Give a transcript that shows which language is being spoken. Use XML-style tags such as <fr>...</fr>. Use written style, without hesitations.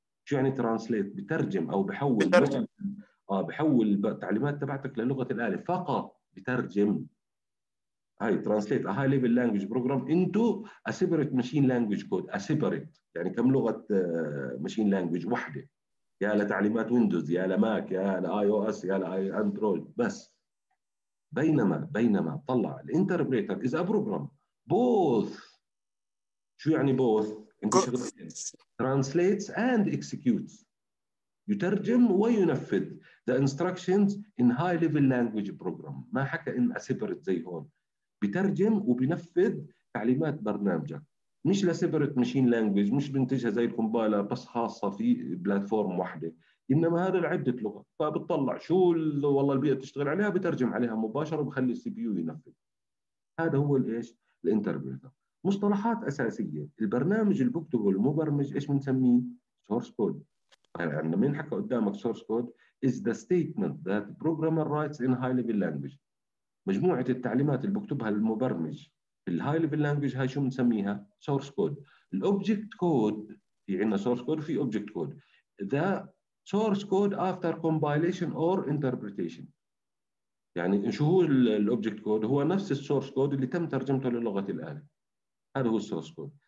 <ar>شو يعني translate؟ بترجم أو بحول، بحول التعليمات تبعتك للغة الآلة فقط، بترجم.</ar> <en>هاي translate a high level language program into a separate machine language code. A separate</en> <ar>يعني كم لغة machine language واحدة، يا لتعليمات ويندوز يا لماك يا لآي أو أس يا لآي أندرويد بس. بينما طلع الانتربريتر</ar> <en>is a program both.</en> <ar>شو يعني</ar> <en>both؟</en> <ar>انت شغلتين،</ar> <en>translates and executes،</en> <ar>يترجم وينفذ</ar> <en>the instructions in high level language program.</en> <ar>ما حكى ان</ar> <en>a separate</en> <ar>زي هون، بترجم وبنفذ تعليمات برنامجك، مش ل separate machine language، مش بنتجها زي الكومبايلر بس خاصة في بلاتفورم واحدة، إنما هذا لعدة لغة. فبتطلع شو والله البيئة بتشتغل عليها، بترجم عليها مباشرة وبخلي السي بي يو ينفذ. هذا هو الإيش؟ الانتربريتر. مصطلحات أساسية، البرنامج اللي بكتبه المبرمج إيش بنسميه؟ source code. يعني عندما ينحكى قدامك</ar> <en>source code is the statement that programmer writes in high level language.</en> <ar>مجموعة التعليمات اللي بكتبها المبرمج في الهاي ليفل لانجويج هاي شو بنسميها؟ source code. الأوبجكت كود، في عندنا source code وفي object code.</ar> <en>The source code after compilation or interpretation.</en> <ar>يعني شو هو الobject code؟ هو نفس source code اللي تم ترجمته للغة الآلة، هذا هو source code.</ar>